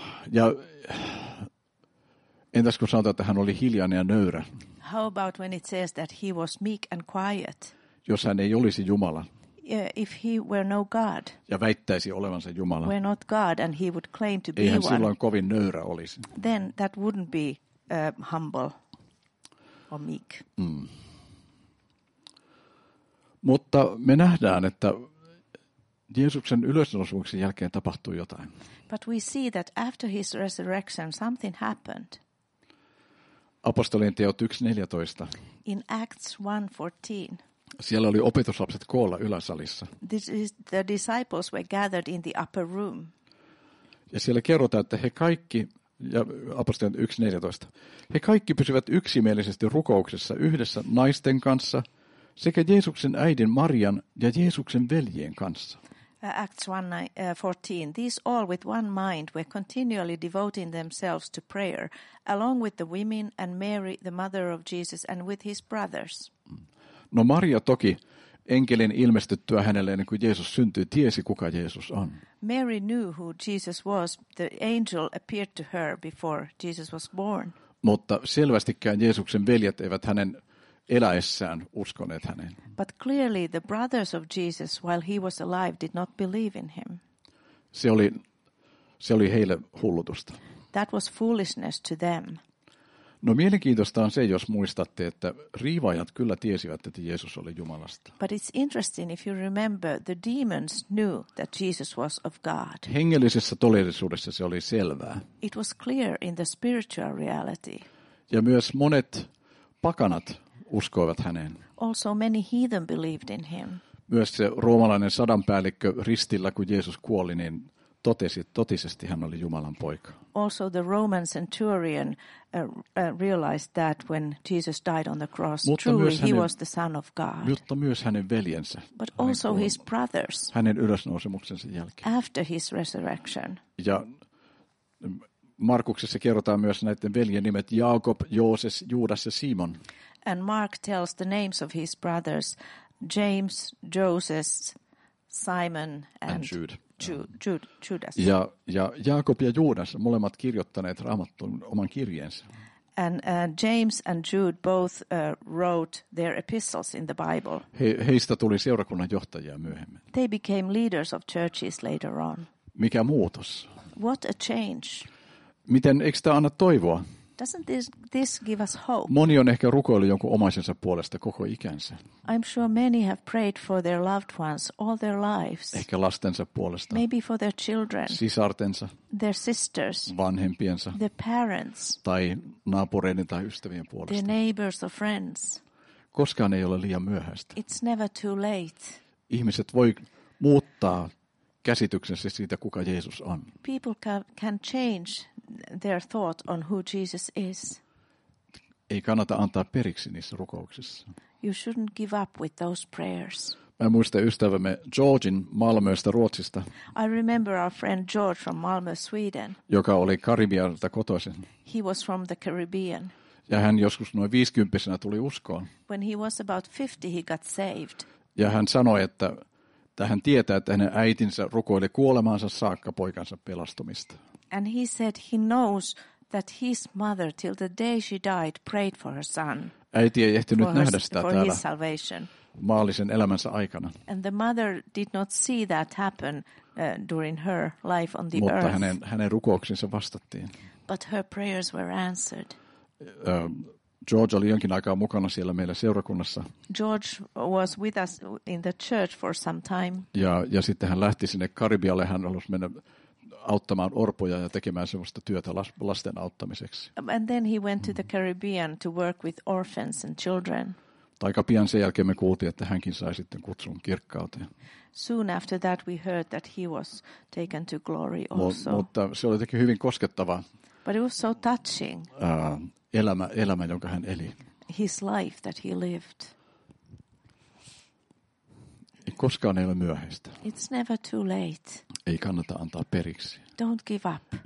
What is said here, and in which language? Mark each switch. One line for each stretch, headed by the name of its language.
Finnish: Ja entäs kun sanotaan, että hän oli hiljainen ja nöyrä?
English: How about when it says that he was meek and quiet?
Finnish: Jos hän ei olisi Jumala.
English: If he were no God.
Finnish: Ja väittäisi olevansa Jumala.
English: Were not God and he would claim to be one.
Finnish: Eihän silloin kovin nöyrä olisi.
English: Then that wouldn't be humble. Or meek. Mm.
Finnish: Mutta me nähdään, että Jeesuksen ylösnousemuksen jälkeen tapahtui jotain.
English: But we see that after his resurrection something happened.
Finnish: Apostolien teot 1:14.
English: In Acts 1:14.
Finnish: Siellä oli opetuslapset koolla yläsalissa.
English: The disciples were gathered in the upper room.
Finnish: Ja siellä kerrotaan, että he kaikki ja apostolien 1:14. He kaikki pysyvät yksimielisesti rukouksessa yhdessä naisten kanssa sekä Jeesuksen äidin Marian ja Jeesuksen veljien kanssa.
English: Acts 1:14. These all with one mind were continually devoting themselves to prayer along with the women and Mary the mother of Jesus and with his brothers.
Finnish: No Maria toki enkelin ilmestyttyä hänelle ennen kuin Jeesus syntyi tiesi kuka Jeesus on.
English: Mary knew who Jesus was. The angel appeared to her before Jesus was born.
Finnish: Mutta selvästikään Jeesuksen veljet eivät hänen eläessään uskoneet häneen.
English: But clearly the brothers of Jesus while he was alive did not believe in him.
Finnish: Se oli heille hullutusta.
English: That was foolishness to them.
Finnish: No mielenkiintoista on se, jos muistatte, että riivaajat kyllä tiesivät, että Jeesus oli Jumalasta.
English: But it's interesting if you remember the demons knew that Jesus was of God.
Finnish: Hengellisessä todellisuudessa se oli selvää.
English: It was clear in the spiritual reality.
Finnish: Ja myös monet pakanat uskoivat häneen.
English: Also many heathen believed in him.
Finnish: Myös se roomalainen sadanpäällikkö ristillä, kun Jeesus kuoli, niin totesi, totisesti hän oli Jumalan poika.
English: Also the Roman centurion realized that when Jesus died on the cross,
Finnish: mutta
English: truly
Finnish: hänen,
English: he was the son of God.
Finnish: Mutta myös hänen veljensä.
English: But also
Finnish: hänen,
English: his brothers.
Finnish: Hänen ylösnousemuksensa jälkeen.
English: After his resurrection.
Finnish: Ja Markuksessa kerrotaan myös näiden veljen nimet Jaakob, Jooses, Juudas ja Simon.
English: And Mark tells the names of his brothers James, Joseph, Simon and Jude. Judas.
Finnish: Ja Jaakob ja Juudas molemmat kirjoittaneet Raamattun oman kirjeensä.
English: And James and Jude both wrote their epistles in the Bible.
Finnish: Heistä tuli seurakunnan johtajia myöhemmin.
English: They became leaders of churches later on.
Finnish: Mikä muutos?
English: What a change.
Finnish: Miten eikö tämä anna toivoa?
English: Doesn't this give us hope?
Finnish: Moni on ehkä rukoillut jonkun omaisensa puolesta koko ikänsä.
English: I'm sure many have prayed for their loved ones all their lives.
Finnish: Ehkä lastensa puolesta.
English: Maybe for their children.
Finnish: Sisartensa.
English: Their sisters.
Finnish: Vanhempiensa.
English: Their parents.
Finnish: Tai naapureiden tai ystävien puolesta.
English: Their neighbors or friends.
Finnish: Koskaan ei ole liian myöhäistä.
English: It's never too late.
Finnish: Ihmiset voi muuttaa käsityksensä siitä kuka Jeesus on.
English: People can change their thought on who Jesus is.
Finnish: Ei kannata antaa periksi niissä rukouksissa.
English: You shouldn't give up with those prayers.
Finnish: Mä muistan ystävämme Georgin Malmöstä Ruotsista.
English: I remember our friend George from Malmö, Sweden.
Finnish: Joka oli Karibialta kotoisin.
English: He was from the Caribbean.
Finnish: Ja hän joskus noin 50-vuotiaana tuli uskoon.
English: When he was about 50, he got saved.
Finnish: Ja hän sanoi, että hän tietää, että hänen äitinsä rukoili kuolemaansa saakka poikansa pelastumista.
English: And he said he knows that his mother till the day she died prayed for her son.
Finnish: Äiti ei ehtinyt nähdä sitä
English: for
Finnish: täällä
English: his salvation.
Finnish: Maallisen elämänsä aikana.
English: And the mother did not see that happen during her life on the
Finnish: mutta
English: earth.
Finnish: Mutta hänen rukouksensa vastattiin.
English: But her prayers were answered.
Finnish: George oli jonkin aikaa mukana siellä meillä seurakunnassa.
English: George was with us in the church for some time.
Finnish: Ja sitten hän lähti sinne Karibialle, hän halusi mennä auttamaan orpoja ja tekemään sellaista työtä lasten auttamiseksi.
English: And then he went to the Caribbean to work with orphans and children.
Finnish: Aika pian sen jälkeen me kuultiin, että hänkin sai sitten kutsun kirkkauteen.
English: Soon after that we heard that he was taken to glory also.
Finnish: Mutta se oli jotenkin hyvin koskettava.
English: But it was so touching.
Finnish: Elämä, jonka hän eli.
English: His life that he lived.
Finnish: Ei koskaan ei ole myöhäistä.
English: It's never too late.
Finnish: Ei kannata antaa periksi.
English: Don't give up.